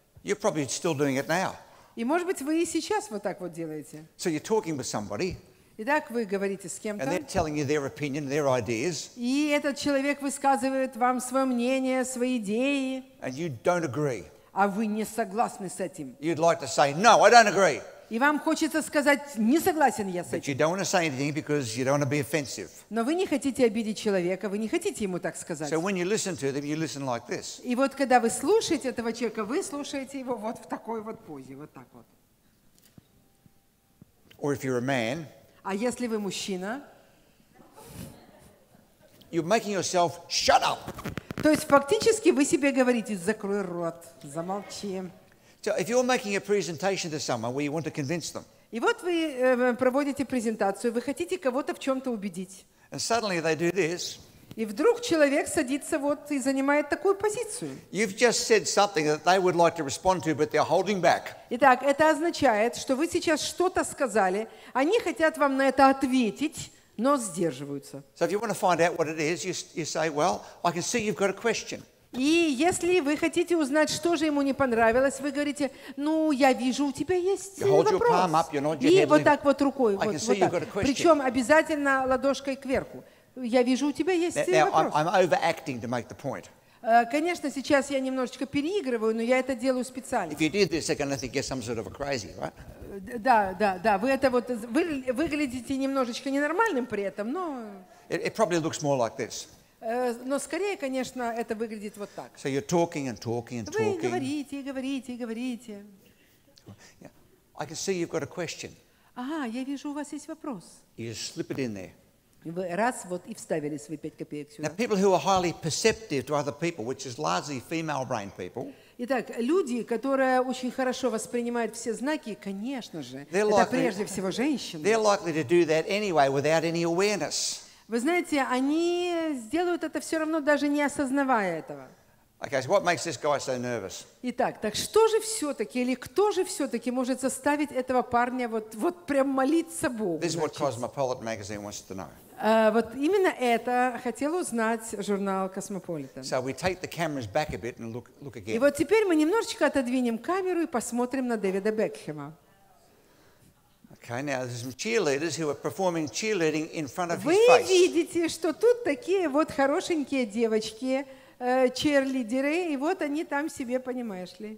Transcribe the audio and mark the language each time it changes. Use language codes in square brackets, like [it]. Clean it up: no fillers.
[en] You're probably still doing it now. [ru] И, может быть, вы и сейчас вот так вот делаете. [en] So you're talking with somebody. [ru] Итак, вы говорите с кем-то. [en] And they're telling you their opinion, their ideas. [ru] И этот человек высказывает вам свое мнение, свои идеи. [en] And you don't agree. [ru] А вы не согласны с этим. [en] You'd like to say, no, I don't agree. [ru] И вам хочется сказать, не согласен я с этим. [en] But you don't want to say anything because you don't want to be offensive. [ru] Но вы не хотите обидеть человека, вы не хотите ему так сказать. [en] So when you listen to them, you listen like this. [ru] И вот когда вы слушаете этого человека, вы слушаете его вот в такой вот позе, вот так вот. [en] Or if you're a man, [ru] а если вы мужчина, [en] you're making yourself shut up. [ru] То есть фактически вы себе говорите, закрой рот, замолчи. [en] So if you're making a presentation to someone where you want to convince them. [ru] И вот вы проводите презентацию, вы хотите кого-то в чем-то убедить. [en] And suddenly they do this. [ru] И вдруг человек садится вот и занимает такую позицию. [en] You've just said something that they would like to respond to, but they're holding back. [ru] Итак, это означает, что вы сейчас что-то сказали, они хотят вам на это ответить, но сдерживаются. [en] So if you want to find out what it is, you say, well, I can see you've got a question. [ru] И если вы хотите узнать, что же ему не понравилось, вы говорите, ну, я вижу, у тебя есть вопрос. [en] Up, [ru] и вот так вот рукой. Вот так. Причем обязательно ладошкой кверху. Я вижу, у тебя есть вопрос. Конечно, сейчас я немножечко переигрываю, но я это делаю специально. [en] This, sort of crazy, right? [ru] Да. Вы это вот выглядите немножечко ненормальным при этом, но... [en] It probably looks more like this. [ru] Но скорее, конечно, это выглядит вот так. [en] So you're talking and talking and talking. [ru] Вы говорите. [en] I can see you've got a question. [ru] Ага, я вижу, у вас есть вопрос. [en] You slip it in there. [ru] Вы раз вот и вставили свои 5 копеек сюда. [en] Now people who are highly perceptive to other people, which is largely female brain people. [ru] Итак, люди, которые очень хорошо воспринимают все знаки, конечно же, это прежде всего женщины. [en] They're likely to do that anyway without any awareness. [ru] Вы знаете, они сделают это все равно, даже не осознавая этого. [en] Okay, so what makes this guy so nervous? [ru] Итак, так что же все-таки, или кто же все-таки может заставить этого парня вот прям молиться Богу? [en] This is what Cosmopolitan magazine wants to know. [ru] Вот именно это хотел узнать журнал Cosmopolitan. [en] So we take the cameras back a bit and look again. [ru] И вот теперь мы немножечко отодвинем камеру и посмотрим на Дэвида Бекхэма. [en] Okay, now there's some cheerleaders who are performing cheerleading in front of [ru] Вы [en] his face. [ru] Вы видите, что тут такие вот хорошенькие девочки, cheerleaders, и вот они там себе, понимаешь ли.